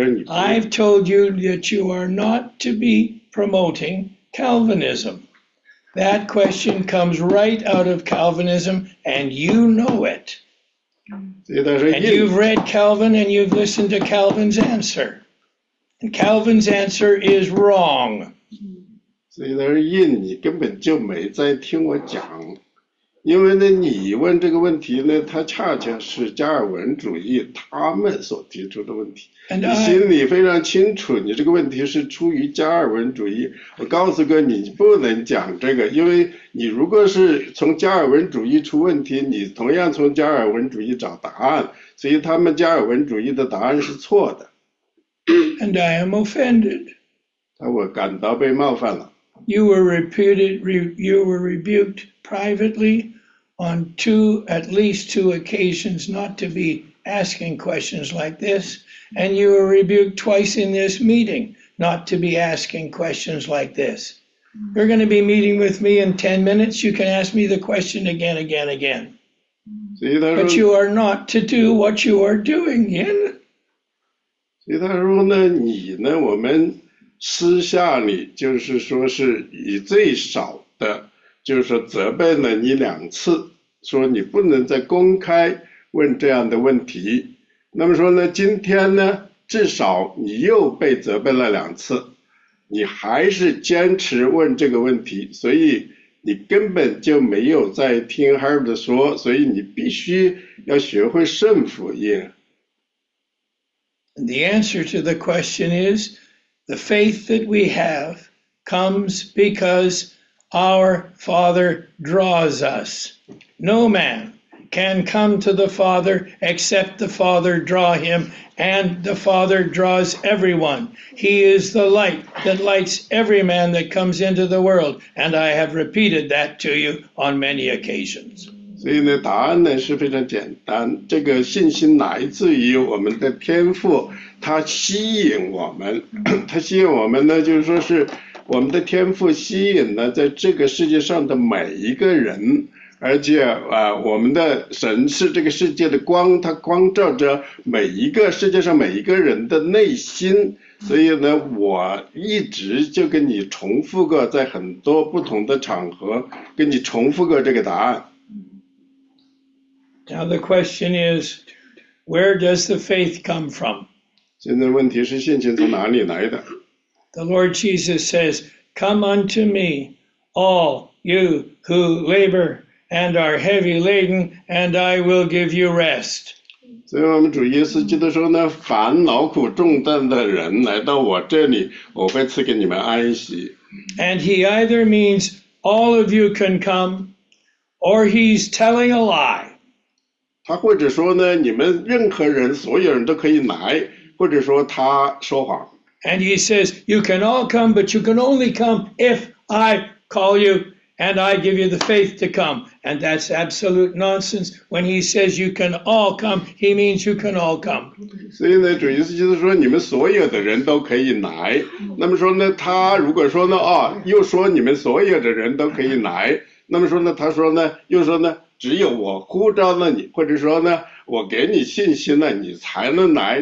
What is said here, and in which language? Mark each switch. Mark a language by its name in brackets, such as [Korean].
[English] I've told you that you are not to be promoting Calvinism. That question comes right out of Calvinism, and you know it. And you've read Calvin and you've listened to Calvin's answer. And Calvin's answer is wrong. [Chinese] 所以他说印，你根本就没在听我讲。因为呢，你问这个问题呢，它恰恰是加尔文主义他们所提出的问题。你心里非常清楚，你这个问题是出于加尔文主义。我告诉哥，你不能讲这个，因为你如果是从加尔文主义出问题，你同样从加尔文主义找答案，所以他们加尔文主义的答案是错的。 [English] And I am offended. [Chinese] 我感到被冒犯了。 [English] You were rebuked privately on at least two occasions not to be asking questions like this, and you were rebuked twice in this meeting not to be asking questions like this. You're going to be meeting with me in 10 minutes. You can ask me the question again, again, again. But you are not to do what you are doing, Yin. See, that rule, then, you, then, we. [Chinese] 私下里就是说是以最少的，就是说责备了你两次，说你不能再公开问这样的问题。那么说呢，今天呢，至少你又被责备了两次，你还是坚持问这个问题，所以你根本就没有在听 Herb 说，所以你必须要学会顺服耶。 [English] The answer to the question is. The faith that we have comes because our Father draws us. No man can come to the Father except the Father draw him, and the Father draws everyone. He is the light that lights every man that comes into the world, and I have repeated that to you on many occasions. [Chinese] 所以呢，答案呢是非常简单，这个信心来自于我们的天父，他吸引我们，他吸引我们呢，就是说是我们的天父吸引了在这个世界上的每一个人，而且啊，我们的神是这个世界的光，他光照着每一个世界上每一个人的内心。所以呢，我一直就跟你重复过，在很多不同的场合跟你重复过这个答案。 [English] Now the question is, where does the faith come from? [Chinese] 现在问题是信心从哪里来的？ [English] The Lord Jesus says, "Come unto me, all you who labor and are heavy laden, and I will give you rest." [Chinese] 所以我们主耶稣基督说呢，凡劳苦重担的人来到我这里，我会赐给你们安息。 [English] And he either means all of you can come, or he's telling a lie. [Chinese] 他或者说呢，你们任何人，所有人都可以来，或者说他说谎。 [English] And he says, you can all come, but you can only come if I call you and I give you the faith to come. And that's absolute nonsense. When he says you can all come, he means you can all come. [Chinese] 所以呢，主耶稣就是说，你们所有的人都可以来。那么说呢，他如果说呢，哦，又说你们所有的人都可以来。那么说呢，他说呢，又说呢。只有我呼召了你，或者说呢，我给你信心了，你才能来。